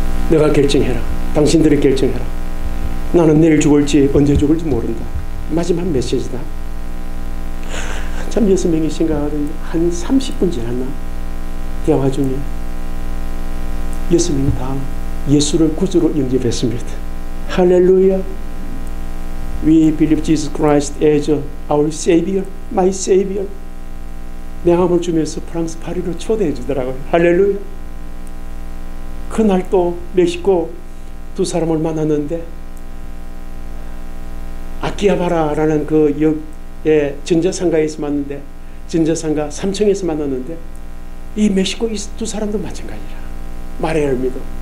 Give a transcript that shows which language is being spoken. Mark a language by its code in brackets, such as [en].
[ko] 내가 결정해라. 당신들이 결정해라. 나는 내일 죽을지 언제 죽을지 모른다. 마지막 메시지다. 참 여섯 명이 생각하던데 한 30분 지났나 대화 중에 여섯 명이 다 예수를 구주로 영접했습니다. 할렐루야. [en] We believe Jesus Christ as our Savior, my Savior. [ko] 내 마음을 주면서 프랑스 파리로 초대해 주더라고요. 할렐루야. 그날 또 멕시코 두 사람을 만났는데 아키아바라라는 그 역의 전자상가에서 만났는데 전자상가 3층에서 만났는데 이 멕시코 두 사람도 마찬가지라 마레르미도